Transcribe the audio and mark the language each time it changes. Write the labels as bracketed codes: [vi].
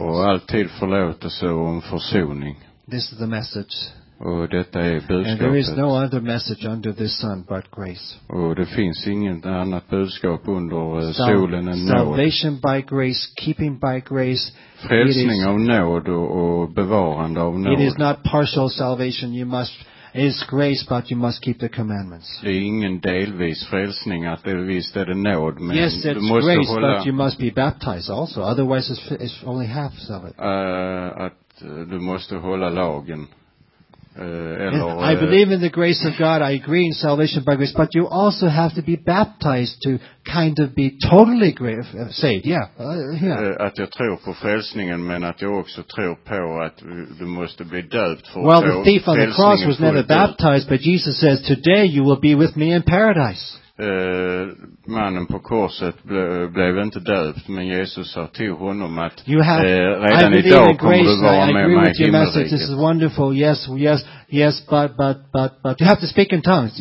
[sv] Och alltid förlåtelse och en försoning. [en] This is the message. [sv] Och detta är budskapet. [en] And there is no other message under this sun but grace. [sv] Och det finns inget annat budskap under solen än nåd. [en] Salvation by grace, keeping by grace. [sv] Frälsning av nåd och bevarande av nåd. [en] It is not partial salvation. You must is grace, but you must keep the commandments. [sv] Det är ingen delvis frälsning att det visst är det nåd, men [en] yes, [sv] du måste [en] grace, [sv] hålla. [en] But you must be baptized also. Otherwise, it's only half of it. [sv] Att du måste hålla lagen. [en] I believe in the grace of God. I agree in salvation by grace, but you also have to be baptized to kind of be totally saved. Yeah. [sv] Att jag tror på frälsningen, men att jag också tror på att du måste bli döpt för. [en] Well, the thief on the cross was never baptized, but Jesus says, "Today you will be with me in paradise." [sv] mannen på korset blev inte döpt, men Jesus sa till honom att [en] you have, [sv] redan idag kommer du vara med mig i himmelriket. [en] This is wonderful. Yes, yes, yes, but you have to speak in tongues.